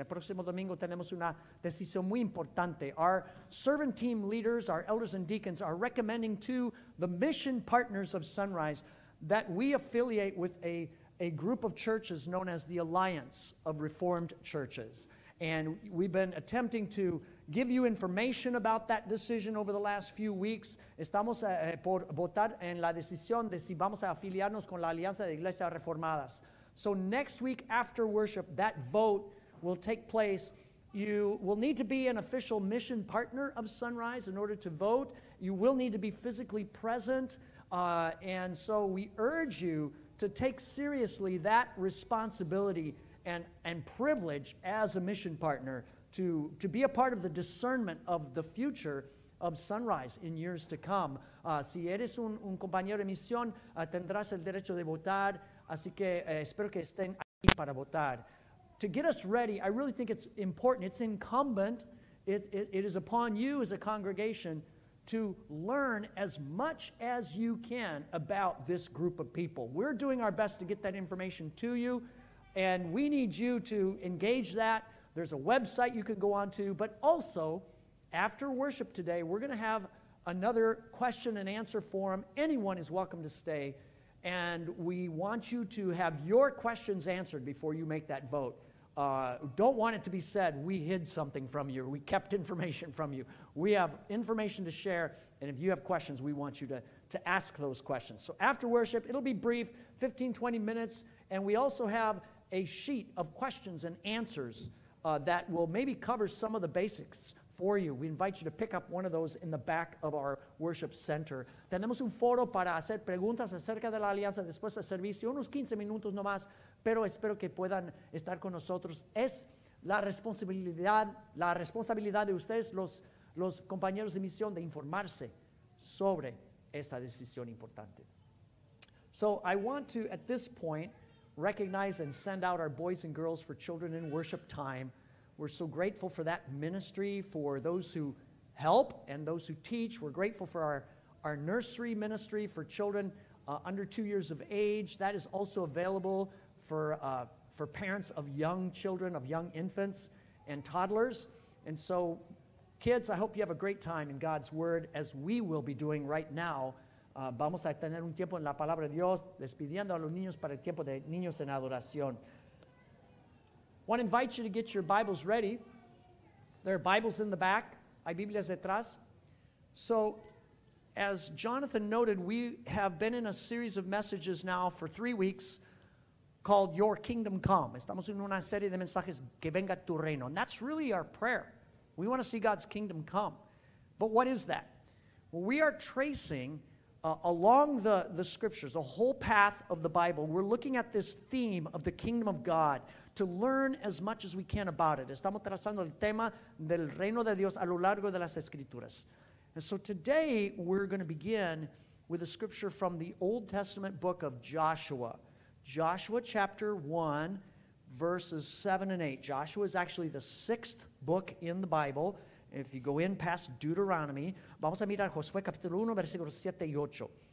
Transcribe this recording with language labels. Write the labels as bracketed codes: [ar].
[es] El próximo domingo tenemos una decisión muy importante. [en] Our servant team leaders, our elders and deacons, are recommending to the mission partners of Sunrise that we affiliate with a group of churches known as the Alliance of Reformed Churches. And we've been attempting to give you information about that decision over the last few weeks. [es] Estamos por votar en la decisión de si vamos a afiliarnos con la Alianza de Iglesias Reformadas. [en] So next week after worship, that vote will take place. You will need to be an official mission partner of Sunrise in order to vote. You will need to be physically present. And so we urge you to take seriously that responsibility and privilege as a mission partner to be a part of the discernment of the future of Sunrise in years to come. [es] Si eres un compañero de misión, tendrás el derecho de votar, así que espero que estén aquí para votar. [en] To get us ready, I really think it's important, it's incumbent, it is upon you as a congregation to learn as much as you can about this group of people. We're doing our best to get that information to you, and we need you to engage that. There's a website you could go on to, but also, after worship today, we're going to have another question and answer forum. Anyone is welcome to stay, and we want you to have your questions answered before you make that vote. Don't want it to be said, we hid something from you, or we kept information from you. We have information to share, and if you have questions, we want you to ask those questions. So after worship, it'll be brief, 15, 20 minutes, and we also have a sheet of questions and answers that will maybe cover some of the basics for you. We invite you to pick up one of those in the back of our worship center. [es] Tenemos un foro para hacer preguntas acerca de la alianza después del servicio, unos 15 minutos nomás, pero espero que puedan estar con nosotros. Es la responsabilidad de ustedes, los compañeros de misión, de informarse sobre esta decisión importante. [en] So I want to, at this point, recognize and send out our boys and girls for children in worship time. We're so grateful for that ministry, for those who help and those who teach. We're grateful for our nursery ministry for children under 2 years of age. That is also available for parents of young children, of young infants and toddlers. And so, kids, I hope you have a great time in God's Word, as we will be doing right now. [es] Vamos a tener un tiempo en la palabra de Dios, despidiendo a los niños para el tiempo de niños en adoración. [en] I want to invite you to get your Bibles ready. There are Bibles in the back. [es] Hay Biblias detrás. [en] So, as Jonathan noted, we have been in a series of messages now for 3 weeks called Your Kingdom Come. [es] Estamos en una serie de mensajes, Que Venga Tu Reino. [en] And that's really our prayer. We want to see God's kingdom come. But what is that? Well, we are tracing along the scriptures, the whole path of the Bible. We're looking at this theme of the kingdom of God to learn as much as we can about it. [es] Estamos trazando el tema del reino de Dios a lo largo de las escrituras. [en] And so today we're going to begin with a scripture from the Old Testament book of Joshua. Joshua chapter 1, verses 7 and 8. Joshua is actually the sixth book in the Bible. If you go in past Deuteronomy, [es] vamos a mirar Josué capítulo 1, versículos 7 y 8.